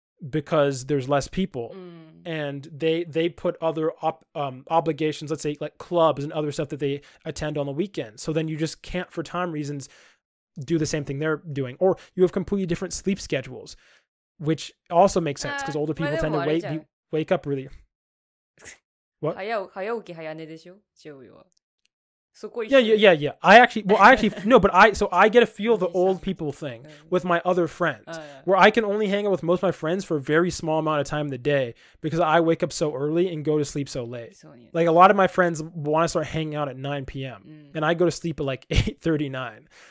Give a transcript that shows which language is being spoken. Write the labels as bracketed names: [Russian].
[English] because there's less people. And they put other obligations, let's say like clubs and other stuff that they attend on the weekend. So then you just can't, for time reasons, do the same thing they're doing. Or you have completely different sleep schedules, which also makes sense because older people tend to wake up really. What? [Japanese] 早起き早寝でしょ?違うよ。 [English] Yeah. I get a feel of the old people thing with my other friends, where I can only hang out with most of my friends for a very small amount of time in the day because I wake up so early and go to sleep so late. Like a lot of my friends want to start hanging out at 9 p.m. and I go to sleep at like 8:39.